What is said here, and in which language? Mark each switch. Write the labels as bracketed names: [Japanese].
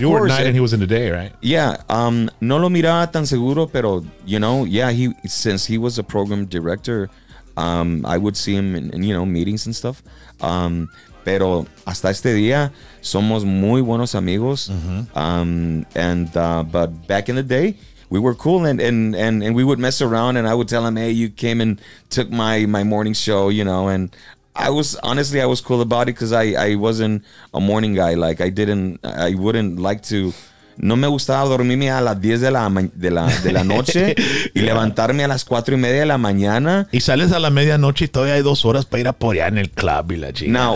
[English] You were at night and he was in the day, right? Yeah. [Spanish] No lo miraba tan seguro, pero [English] since he was a program director, I would see him in meetings and stuff. [Spanish] Pero hasta este día somos muy buenos amigos. Mm-hmm. [English] But back in the day, we were cool and we would mess around and I would tell him, hey, you came and took my morning show, and I was honestly, I was cool about it because I wasn't a morning guy. Like I wouldn't like to. [Spanish] No me gustaba dormirme a las 10 de la noche y levantarme a las 4 y media de la mañana. Y sales a la medianoche y todavía hay 2 horas para ir a porear en el club y la chica.